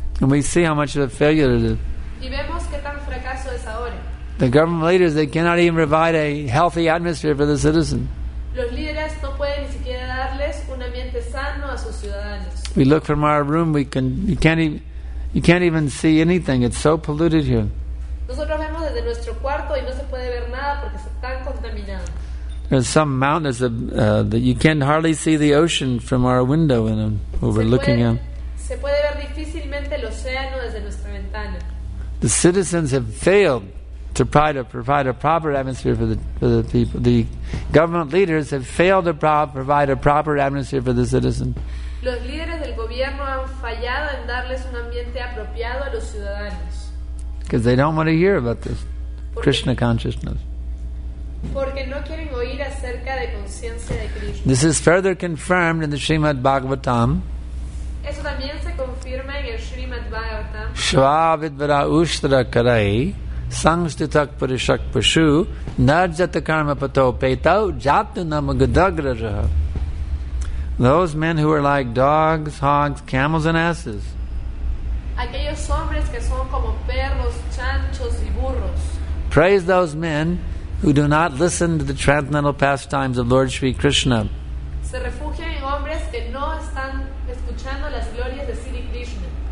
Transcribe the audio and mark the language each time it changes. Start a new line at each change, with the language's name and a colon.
English: And we see how much of a failure it is.
Spanish: Y vemos qué tan fracaso es ahora.
English: The government leaders, they cannot even provide a healthy atmosphere for the citizen.
Spanish: Los líderes no pueden ni siquiera darles un ambiente sano a sus ciudadanos.
English: We look from our room, you can't even see anything. It's so polluted here.
Spanish: Nosotros vemos desde nuestro cuarto y no se puede ver nada porque está tan contaminado.
English: There's some mountains that you can hardly see the ocean from our window and overlooking it.
Spanish: Se puede ver difícilmente el océano desde nuestra ventana.
English: The citizens have failed to provide a proper atmosphere for the people. The government leaders have failed to provide a proper atmosphere for the citizen.
Spanish: Los líderes del gobierno han fallado en darles un ambiente apropiado a los ciudadanos.
English: Because they don't want to hear about this Krishna consciousness.
Spanish: Porque no quieren oír acerca de conciencia de Krishna.
English: This is further confirmed in the Srimad Bhagavatam.
Spanish: Eso también se confirma en el Srimad Bhagavatam.
Sanskrit: Shvavidvara ushtra karai sangstitak parishak pashu narjata karma pato petau jatu namagadagraja.
English: Those men who are like dogs, hogs, camels and asses.
Spanish: Aquellos hombres que son como perros, chanchos y burros.
English: Praise those men who do not listen to the transcendental pastimes of Lord Sri Krishna.
Spanish: Se refugian en hombres que no están escuchando las glorias de Sri Krishna.